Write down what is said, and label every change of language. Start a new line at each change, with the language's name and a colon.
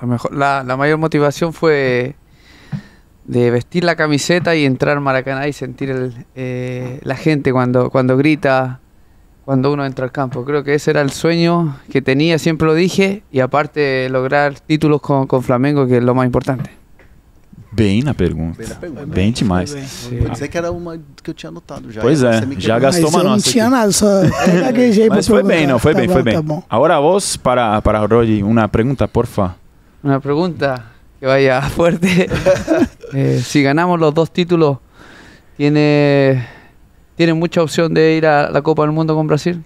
Spanish: La mayor motivación fue de vestir la camiseta y entrar al Maracaná y sentir la gente cuando grita, cuando uno entra al campo. Creo que ese era el sueño que tenía, siempre lo dije, y aparte lograr títulos con Flamengo, que es lo más importante.
Portuguese: Bem na pergunta. Bem demais. Pode dizer que era uma que eu tinha anotado já. Pois é, já gastou uma nossa. Não tinha nada, só gaguejei. Mas foi bem, não, foi bem, foi bem. Agora vos, para Rodi, uma pergunta, porfa.
Spanish: Una pregunta que vaya fuerte. Si ganamos los dos títulos, ¿tiene mucha opción de ir a la Copa del Mundo con Brasil?